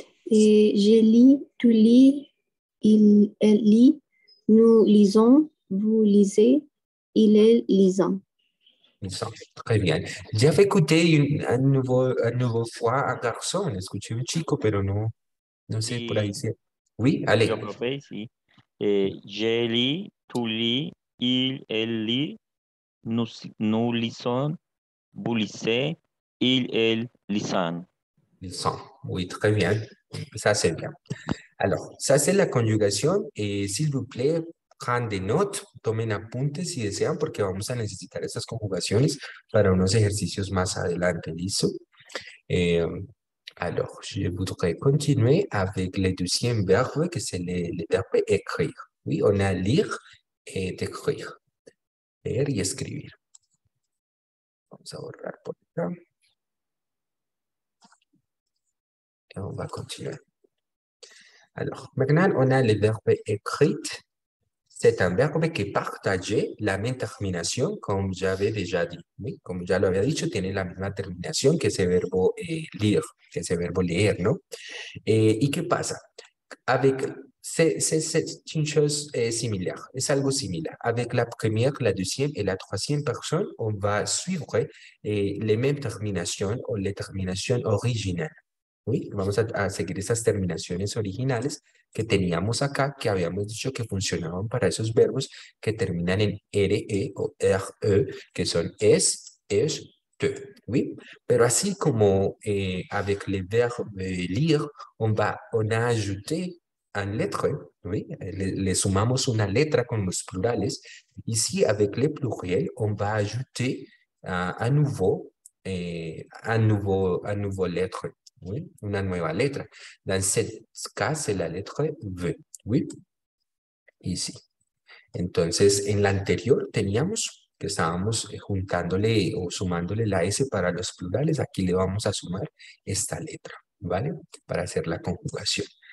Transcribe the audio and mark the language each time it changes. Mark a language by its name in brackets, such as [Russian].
[French] je lis, tu lis, elle lit, nous lisons, vous lisez, il est lisant. Très bien. [Spanish] Ya fue [French] écouté un nouveau fois un garçon. [Spanish] Escuché un chico, pero no, no sé por ahí Sí, [French] si. Oui, [Spanish] yo [French] allez. [Spanish] profe, sí. [French] Je lis, tu lis, il, elle lit, nous lisons, vous lisez, il, elle lisant. Oui, très bien. Ça, c'est bien. Alors, ça, c'est la conjugación. S'il vous plaît. Prendre notes, tomen apuntes si desean, porque vamos a necesitar esas conjugaciones para unos ejercicios más adelante. ¿Listo? Alors, je voudrais continuer avec le deuxième verbe, que c'est le verbe écrire. Oui, on a lire et écrire. [Spanish] Leer y escribir. Vamos a borrar por acá. [French] Y on va continuar. Alors, maintenant, on a le verbe écrire. C'est un verbe que partage la même terminación, [Spanish] como ya había [French] déjà dit. [Spanish] Oui, como ya lo había dicho, tiene la misma terminación que ese verbo lire, que ese verbo leer, ¿no? ¿Y qué pasa? [French] Avec, c'est une chose similaire, [Spanish] es algo similar. [French] Avec la première, la deuxième et la troisième personne, on va suivre les mêmes terminaciones o les terminaciones originales. [Spanish] Oui, vamos a seguir esas terminaciones originales que teníamos acá, que habíamos dicho que funcionaban para esos verbos que terminan en RE o RE, que son es, te. Oui. Pero así como [French] avec le verbe lire, on a ajouté un lettre, oui, [Spanish] le sumamos una letra con los plurales. Ici, avec le pluriel, on va ajouter un nouveau lettre. Oui, una nueva letra. En este caso es la letra V. Oui. Y sí. Entonces, en la anterior teníamos que estábamos juntándole o sumándole la S para los plurales. Aquí le vamos a sumar esta letra, ¿vale? Para hacer la conjugación.